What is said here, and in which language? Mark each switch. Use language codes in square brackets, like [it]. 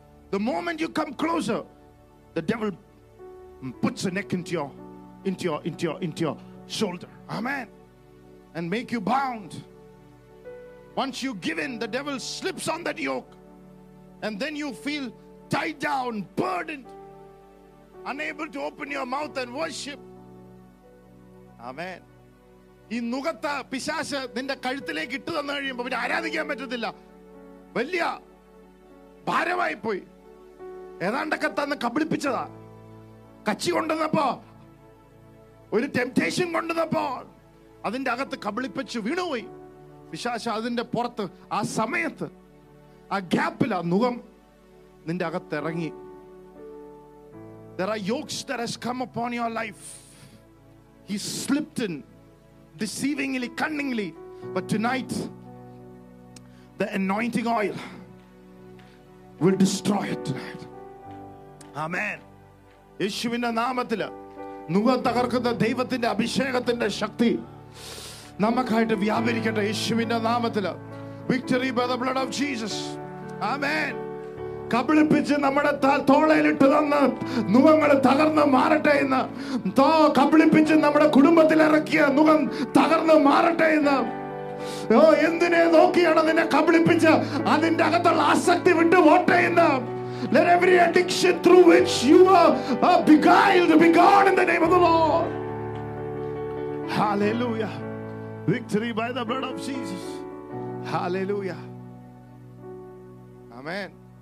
[en] The moment you come closer, the devil puts a neck into your shoulder. Amen. And make you bound. Once you give in, the devil slips on that yoke. And then you feel tied down, burdened, unable to open your mouth and worship. Amen. [ml] ഈ നുകത്ത പിശാച് നിന്റെ കഴുത്തിലേക്ക് ഇട്ടു തന്നു കഴിയുമ്പോൾ പിന്നെ ആരാധിക്കാൻ പറ്റത്തില്ല. വലിയ ഭാരമായി പോയി. ഏതാണ്ടൊക്കെ തന്ന് കബളിപ്പിച്ചതാ. കച്ചി കൊണ്ടുവന്നപ്പോ, ഒരു ടെംപ്റ്റേഷൻ കൊണ്ടുവന്നപ്പോ അതിന്റെ അകത്ത് കബളിപ്പിച്ച് വീണുപോയി. പിശാച് അതിന്റെ പുറത്ത് ആ സമയത്ത് ആ ഗ്യാപ്പിൽ ആ നുകം നിന്റെ അകത്ത് ഇറങ്ങി. [en] There are yokes that has come upon your life. He slipped in deceivingly, cunningly. But tonight, the anointing oil will destroy it tonight. Amen. [ml] യേശുവിന്റെ നാമത്തിൽ നുകം തകർക്കുന്ന ദൈവത്തിന്റെ അഭിഷേകത്തിന്റെ ശക്തി നമുക്കായിട്ട് വ്യാപരിക്കട്ടെ യേശുവിന്റെ നാമത്തിൽ. [en] Victory by the blood of Jesus. Amen. [ml] കബളിപ്പിച്ച് നമ്മുടെ തോളയിലിട്ട് തന്ന് നുഖങ്ങൾ തകർന്ന് മാറട്ടെ എന്ന്. തോ കബളിപ്പിച്ച് നമ്മുടെ കുടുംബത്തിൽ ഇറക്കിയ നുഖം തകർന്ന് മാറട്ടെ എന്ന്. ഓ എന്തിനെ നോക്കിയാണ് നിന്നെ കബളിപ്പിച്ച് അതിന്റെ അകത്തുള്ള ആസക്തി വിട്ടു പോട്ടെ എന്ന്. [en] Let every addiction through which you are beguiled be gone in the name of the Lord. Hallelujah. Victory by the blood of Jesus. Hallelujah. Amen.